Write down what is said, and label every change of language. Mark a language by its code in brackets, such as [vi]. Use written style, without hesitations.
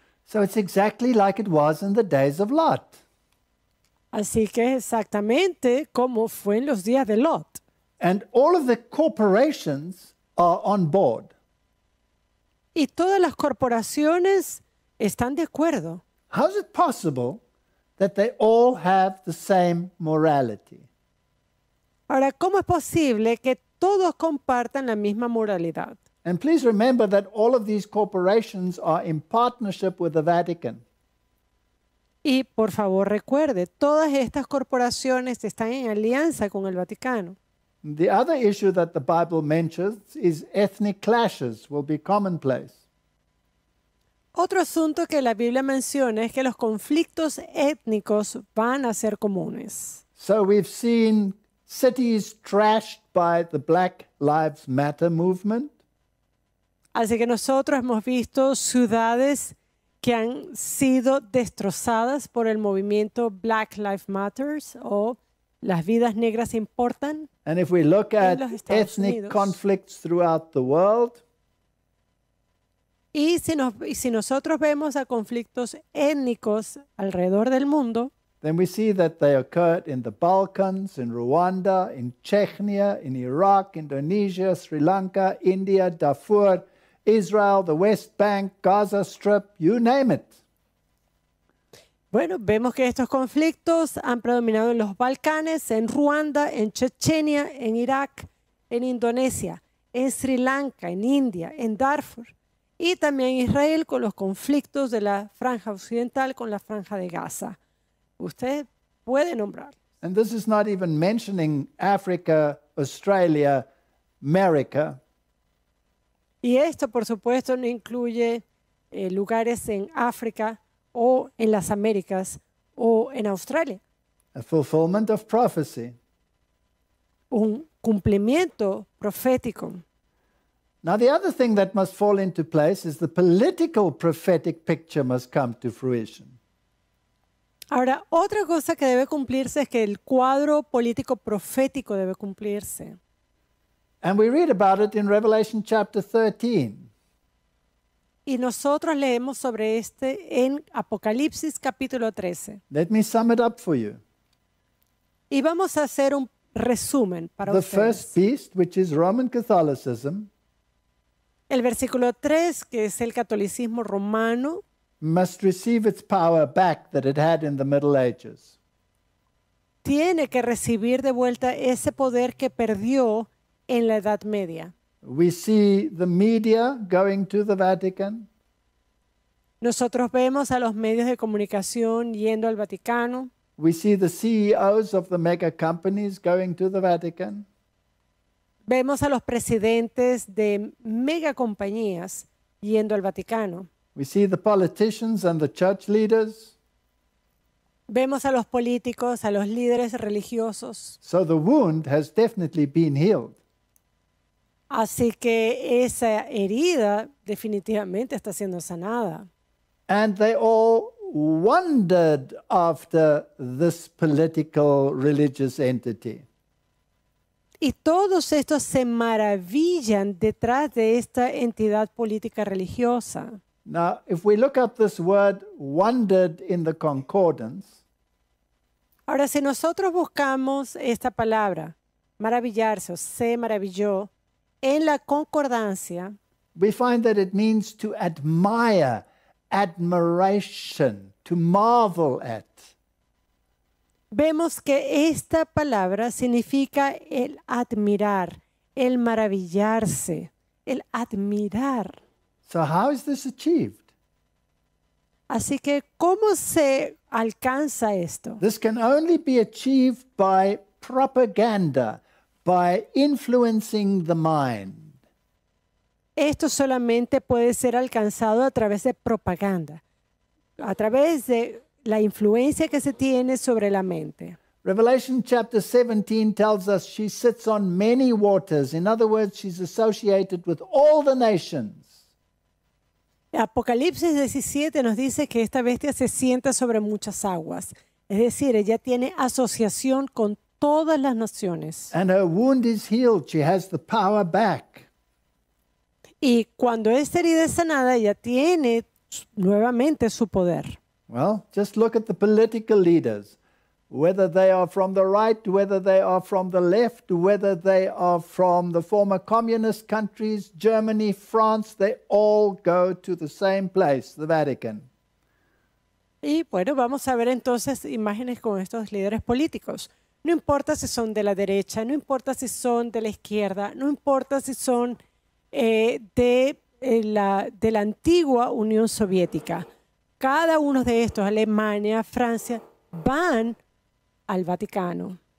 [en] So it's exactly like it was in the days of Lot. [es] Así que es exactamente como fue en los días de Lot. [en] And all of the corporations are on board. [es] Y todas las corporaciones están de acuerdo. [en] How is it possible that they all have the same morality? [es] Ahora, ¿cómo es posible que todos compartan la misma moralidad? [en] And please remember that all of these corporations are in partnership with the Vatican. [es] Y por favor recuerde, todas estas corporaciones están en alianza con el Vaticano. [en] The other issue that the Bible mentions is ethnic clashes will be commonplace. [es] Otro asunto que la Biblia menciona es que los conflictos étnicos van a ser comunes. [en] So we've seen cities trashed by the Black Lives Matter movement. [es] Así que nosotros hemos visto ciudades que han sido destrozadas por el movimiento Black Lives Matter o las vidas negras importan. [en] And if we look at ethnic conflicts throughout the world, [es] y si nosotros vemos a conflictos étnicos alrededor del mundo, [en] then we see that they occurred in the Balkans, in Rwanda, in Chechnya, in Iraq, Indonesia, Sri Lanka, India, Darfur, Israel, the West Bank, Gaza Strip, you name it. [es] Bueno, vemos que estos conflictos han predominado en los Balcanes, en Ruanda, en Chechenia, en Irak, en Indonesia, en Sri Lanka, en India, en Darfur y también Israel con los conflictos de la franja occidental con la franja de Gaza. Usted puede nombrar. [en] And this is not even mentioning Africa, Australia, America. [es] Y esto, por supuesto, no incluye lugares en África o en las Américas o en Australia. [en] A fulfillment of prophecy. [es] Un cumplimiento profético. [en] Now the other thing that must fall into place is the political prophetic picture must come to fruition. [es] Ahora, otra cosa que debe cumplirse es que el cuadro político profético debe cumplirse. [en] And we read about it in Revelation chapter 13. [es] Y nosotros leemos sobre este en Apocalipsis capítulo 13. [en] Let me sum it up for you. [es] Y vamos a hacer un resumen para [en] the [es] ustedes. [en] The first beast, which is Roman Catholicism. [es] El versículo 3, que es el catolicismo romano. [en] Must receive its power back that it had in the Middle Ages. [es] Tiene que recibir de vuelta ese poder que perdió en la Edad Media. [en] We see the media going to the Vatican. [es] Nosotros vemos a los medios de comunicación yendo al Vaticano. [en] We see the CEOs of the mega companies going to the Vatican. [es] Vemos a los presidentes de mega compañías yendo al Vaticano. [en] We see the politicians and the church leaders. [es] Vemos a los políticos, a los líderes religiosos. [en] So the wound has definitely been healed. [es] Así que esa herida definitivamente está siendo sanada. [en] And they all wondered after this political religious entity. [es] Y todos estos se maravillan detrás de esta entidad política religiosa. [en] Now, if we look up this word wondered in the concordance. [es] Ahora, si nosotros buscamos esta palabra, maravillarse o se maravilló, en la concordancia. [en] We find that it means to admire, admiration, to marvel at. [es] Vemos que esta palabra significa el admirar, el maravillarse, el admirar. [en] So how is this achieved? [es] Así que, ¿cómo se alcanza esto? [en] This can only be achieved by propaganda, by influencing the mind. [es] Esto solamente puede ser alcanzado a través de propaganda, a través de la influencia que se tiene sobre la mente. [en] Revelation chapter 17 tells us she sits on many waters. In other words, she's associated with all the nations. [es] Apocalipsis 17 nos dice que esta bestia se sienta sobre muchas aguas. Es decir, ella tiene asociación con todas las naciones. [en] And her wound is healed. She has the power back. [es] Y cuando esta herida es sanada, ella tiene nuevamente su poder. [en] Well, just look at the political leaders. Whether they are from the right, whether they are from the left, whether they are from the former communist countries, Germany, France, they all go to the same place, the Vatican. [es] Y bueno, vamos a ver entonces imágenes con estos líderes políticos. No importa si son de la derecha, no importa si son de la izquierda, no importa si son de la antigua Unión Soviética. Cada uno de estos, Alemania, Francia, van al Vaticano.